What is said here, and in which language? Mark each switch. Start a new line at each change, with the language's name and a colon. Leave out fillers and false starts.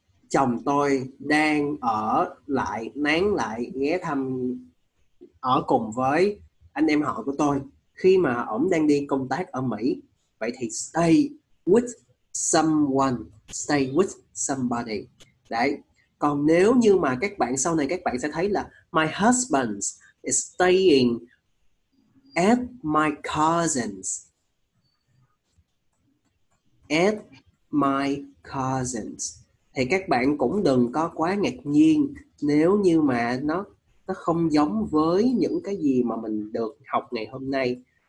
Vietnamese: Chồng tôi đang ở lại, nán lại, ghé thăm, ở cùng với anh em họ của tôi khi mà ổng đang đi công tác ở Mỹ. Vậy thì
English: stay with someone, stay with somebody.
Vietnamese: Đấy. Còn nếu như mà các bạn sau này các bạn sẽ thấy là
English: my husband is staying at my cousin's. At my cousin's.
Vietnamese: Thì các bạn cũng đừng có quá ngạc nhiên nếu như mà nó không giống với những cái gì mà mình được học ngày hôm nay.